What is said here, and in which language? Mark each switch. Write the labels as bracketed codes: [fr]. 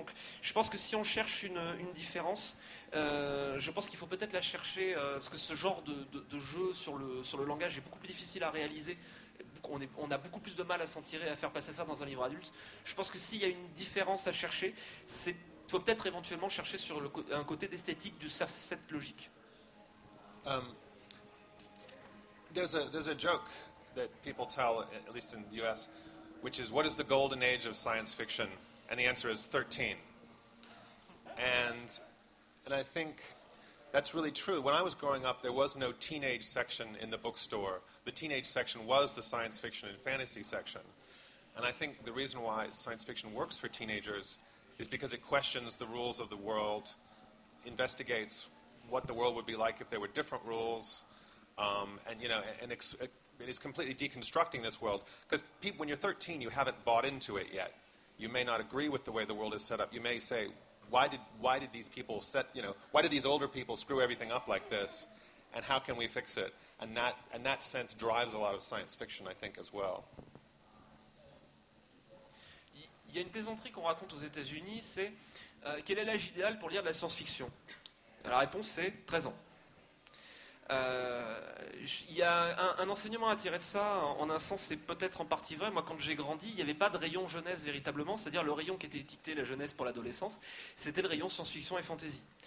[fr] Donc je pense que si on cherche une différence, je pense qu'il faut peut-être la chercher, parce que ce genre de jeu sur le langage est beaucoup plus difficile à réaliser, on a beaucoup plus de mal à s'en tirer, à faire passer ça dans un livre adulte. Je pense que s'il y a une différence à chercher, il faut peut-être éventuellement chercher sur un côté d'esthétique de cette logique. [en] There's a joke that people tell, at least in the US, which is, what is the golden age of science fiction? And the answer is 13. And I think That's really true. When I was growing up, there was no teenage section in the bookstore. The teenage section was the science fiction and fantasy section. And I think the reason why science fiction works for teenagers is because it questions the rules of the world, investigates what the world would be like if there were different rules, it is completely deconstructing this world. Because when you're 13, you haven't bought into it yet. You may not agree with the way the world is set up. You may say, why did these people why did these older people screw everything up like this? And how can we fix it? And that sense drives a lot of science fiction, I think, as well. [fr] Il y a une plaisanterie qu'on raconte aux États-Unis, c'est quel est l'âge idéal pour lire de la science-fiction ? La réponse, c'est 13 ans. Il y a un enseignement à tirer de ça, en un sens, c'est peut-être en partie vrai. Moi, quand j'ai grandi, il n'y avait pas de rayon jeunesse véritablement, c'est-à-dire le rayon qui était étiqueté la jeunesse pour l'adolescence, c'était le rayon science-fiction et fantasy.